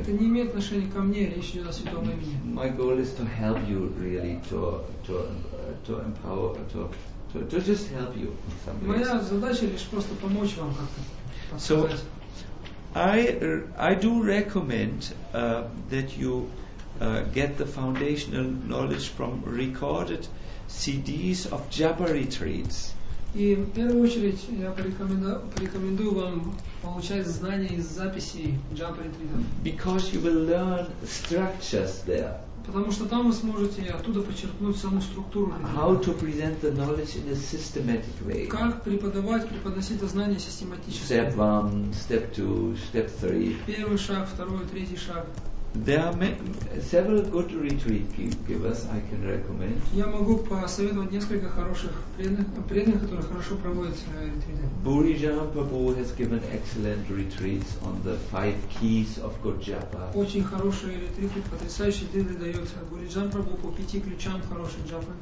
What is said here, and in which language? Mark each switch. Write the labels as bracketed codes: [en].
[ru] Это не имеет отношения ко мне, речь идет о Святом Имени. [en] My goal is to help you really to empower to just help you in some ways. [ru] Моя задача лишь просто помочь вам как-то. [en] So, I do recommend that you get the foundational knowledge from recorded CDs of Japa retreats. [ru] И в первую очередь я порекомендую вам получать знания из записей [en] Japa retreats. Because you will learn structures there. [ru] Потому что там вы сможете оттуда почерпнуть саму структуру. [en] How to present the knowledge in a systematic way. [ru] Как преподавать, преподносить это знание систематически. [en] Step one, step two, step three. [ru] Первый шаг, второй, третий шаг. [en] There are several good retreat givers I can recommend. [ru] Я могу посоветовать несколько хороших преданных, которые хорошо проводят ретриты. [en] Burijan Prabhu has given excellent retreats on the five keys of good japa. [ru] Очень хорошие ретриты, потрясающие деды дает Burijan Prabhu по пяти ключам хорошей джапы.